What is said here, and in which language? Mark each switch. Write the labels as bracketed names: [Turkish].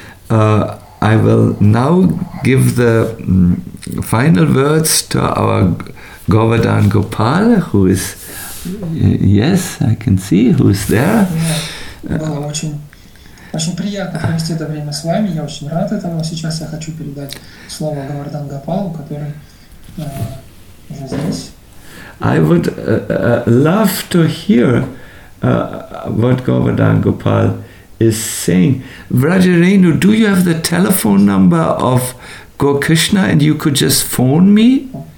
[English] I will now give the final words to our Govardhan Gopal, who is Yes, I can see who's there. [Russian] Было очень приятно провести это время с вами. Я очень рад этому. Сейчас я хочу передать слово Говардан Гопалу, который уже здесь. [English] I would love to hear what Govardhan Gopal is saying. Vrajarenu, do you have the telephone number of Gokrishna and you could just phone me?